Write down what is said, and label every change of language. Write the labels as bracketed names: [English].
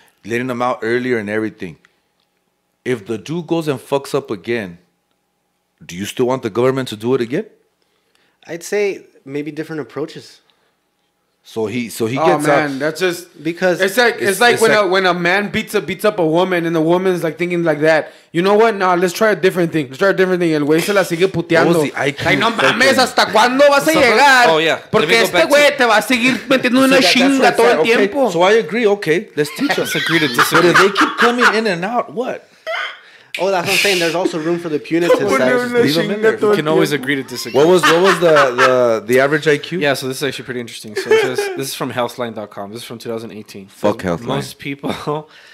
[English] letting them out earlier and everything. If the dude goes and fucks up again, do you still want the government to do it again? I'd say maybe different approaches. So he gets out. Oh man, that's just because it's like when a man beats up a woman and the woman's like thinking like that. You know what? Nah, let's try a different thing. [Spanish] El güey se la sigue puteando. Ay, no mames, hasta cuándo vas a llegar? [English] Oh yeah. [Spanish] Porque este güey te va a seguir metiendo una chinga todo el tiempo. [English] So I agree. Okay, let's teach us. Agree to disagree. But if they keep coming in and out, what? Oh, that's what I'm saying. There's also room for the punitive side. You can always agree to disagree. What was the average IQ? Yeah, so this is actually pretty interesting. So this is from Healthline.com. This is from 2018. Fuck Healthline.